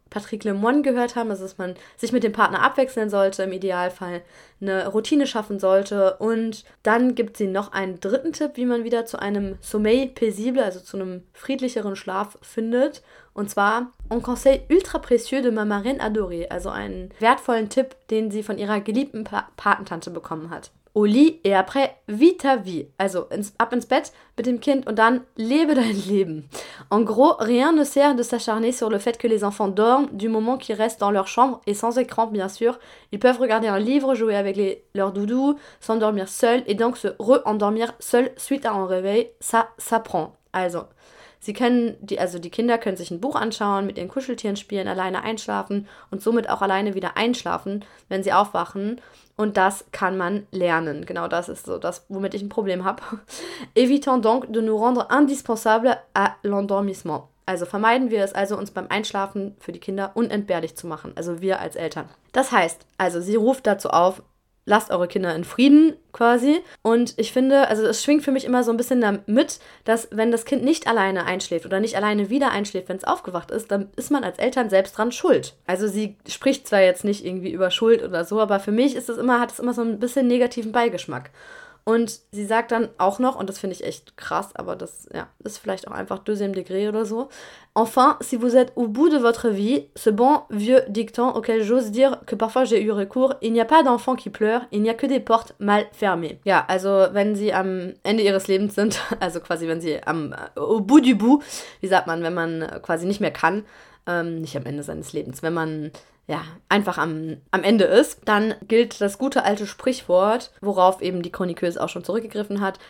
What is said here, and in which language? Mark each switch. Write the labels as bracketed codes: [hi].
[de] Patrick Lemoine gehört haben, also dass man sich mit dem Partner abwechseln sollte, im Idealfall eine Routine schaffen sollte. Und dann gibt sie noch einen dritten Tipp, wie man wieder zu einem [fr] Sommeil paisible, [de] also zu einem friedlicheren Schlaf findet. Und zwar [fr] un conseil ultra précieux de ma marraine adorée, [de] also einen wertvollen Tipp, den sie von ihrer geliebten Patentante bekommen hat. [fr] Au lit et après, vis ta vie. [de] Also ab ins Bett mit dem Kind und dann lebe dein Leben. [fr] En gros, rien ne sert de s'acharner sur le fait que les enfants dorment du moment qu'ils restent dans leur chambre et sans écran, bien sûr. Ils peuvent regarder un livre, jouer avec leurs doudous, s'endormir seuls et donc se re-endormir seuls suite à un réveil. Ça s'apprend. [de] Also, also die Kinder können sich ein Buch anschauen, mit ihren Kuscheltieren spielen, alleine einschlafen und somit auch alleine wieder einschlafen, wenn sie aufwachen. Und das kann man lernen. Genau das ist so das, womit ich ein Problem habe. [fr] Evitons donc de nous rendre indispensable à l'endormissement. [de] Also vermeiden wir es also, uns beim Einschlafen für die Kinder unentbehrlich zu machen. Also wir als Eltern. Das heißt, also sie ruft dazu auf, lasst eure Kinder in Frieden quasi. Und ich finde, also es schwingt für mich immer so ein bisschen damit, dass wenn das Kind nicht alleine einschläft oder nicht alleine wieder einschläft, wenn es aufgewacht ist, dann ist man als Eltern selbst dran schuld. Also sie spricht zwar jetzt nicht irgendwie über Schuld oder so, aber für mich ist es immer, hat es immer so ein bisschen negativen Beigeschmack. Und sie sagt dann auch noch, und das finde ich echt krass, aber das ja, ist vielleicht auch einfach [fr] deuxième degré [de] oder so. [fr] Enfin, si vous êtes au bout de votre vie, ce bon vieux dicton auquel j'ose dire que parfois j'ai eu recours, il n'y a pas d'enfant qui pleure, il n'y a que des portes mal fermées. [de] Ja, also wenn sie am Ende ihres Lebens sind, also quasi wenn sie [fr] au bout du bout, [de] wie sagt man, wenn man quasi nicht mehr kann, nicht am Ende seines Lebens, wenn man ja, einfach am Ende ist, dann gilt das gute alte Sprichwort, worauf eben die Chroniqueuse auch schon zurückgegriffen hat.